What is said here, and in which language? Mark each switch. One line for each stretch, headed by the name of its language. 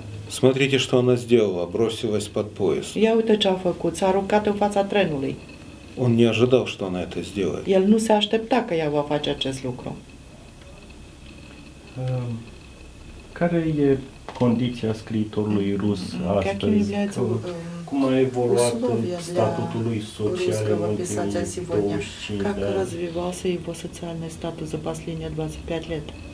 Russian: Смотрите, что она сделала, бросилась под поезд.
Romanian: Я uite ce a făcut, s-a aruncat în fața trenului.
Russian: Он не ожидал, что она это сделает.
Romanian: El nu se aștepta că ea va face acest lucru. Care e condiția scriitorului rus astăzi? Cum a evoluat statutul lui social în ultimii 25 de ani?
Russian: Как развивался его социальный статус за последние 25 лет?